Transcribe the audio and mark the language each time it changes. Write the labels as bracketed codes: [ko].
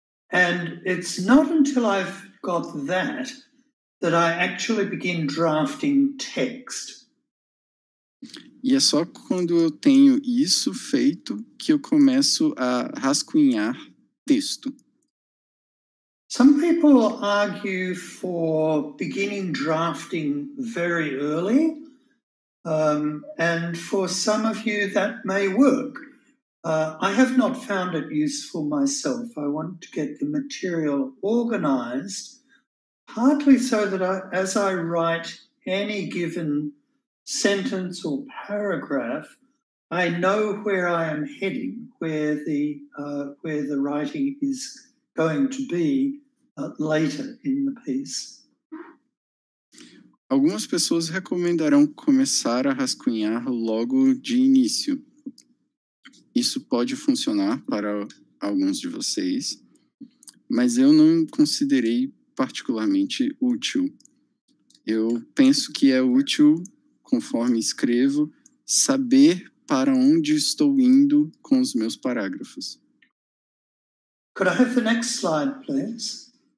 [en] And it's not until I've got that that I actually begin drafting text. [pt] E é só quando eu tenho isso feito que eu começo a rascunhar texto. [en] Some people argue for beginning drafting very early, and for some of you that may work. I have not found it useful myself. I want to get the material organized, partly so that as I write any given sentence or paragraph, I know where I am heading, where the writing is going to be later in the piece. [pt] Algumas pessoas recomendarão começar a rascunhar logo de início. Isso pode funcionar para alguns de vocês, mas eu não considerei particularmente útil. Eu penso que é útil, conforme escrevo, saber para onde estou indo com os meus parágrafos. [en] Could I have the next slide, please?